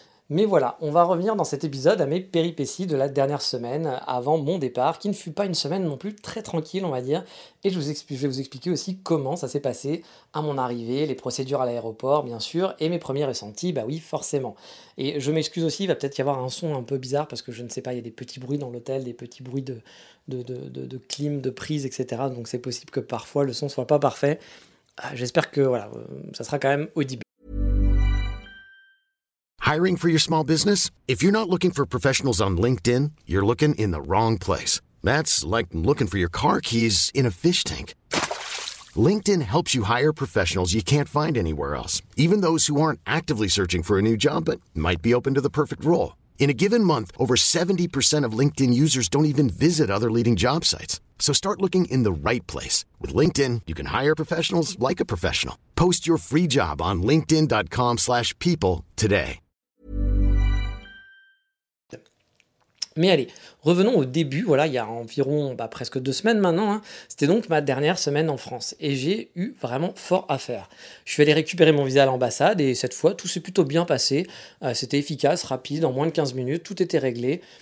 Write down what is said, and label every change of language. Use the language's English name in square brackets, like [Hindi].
[French] Mais voilà, on va revenir dans cet épisode à mes péripéties de la dernière semaine, avant mon départ, qui ne fut pas une semaine non plus très tranquille, on va dire, et je vais vous expliquer aussi comment ça s'est passé à mon arrivée, les procédures à l'aéroport, bien sûr, et mes premiers ressentis, bah oui, forcément. Et je m'excuse aussi, il va peut-être y avoir un son un peu bizarre, parce que je ne sais pas, il y a des petits bruits dans l'hôtel, des petits bruits de clim, de prise, etc., donc c'est possible que parfois le son soit pas parfait. J'espère que, voilà, ça sera quand même audible. [English] Hiring for your small business? If you're not looking for professionals on LinkedIn, you're looking in the wrong place. That's like looking for your car keys in a fish tank. LinkedIn helps you hire professionals you can't find anywhere else, even those who aren't actively searching for a new job but might be open to the perfect role. In a given month, over 70% of LinkedIn users don't even visit other leading job sites. So start looking in the right place. With LinkedIn, you can hire professionals like a professional. Post your free job on linkedin.com/people today. [French] Mais allez, revenons au début, voilà, il y a environ presque deux semaines maintenant, hein. C'était donc ma dernière semaine en France, et j'ai eu vraiment fort à faire. Je suis allé récupérer mon visa à l'ambassade, et cette fois, tout s'est plutôt bien passé, c'était efficace, rapide, en moins de 15 minutes, tout était réglé.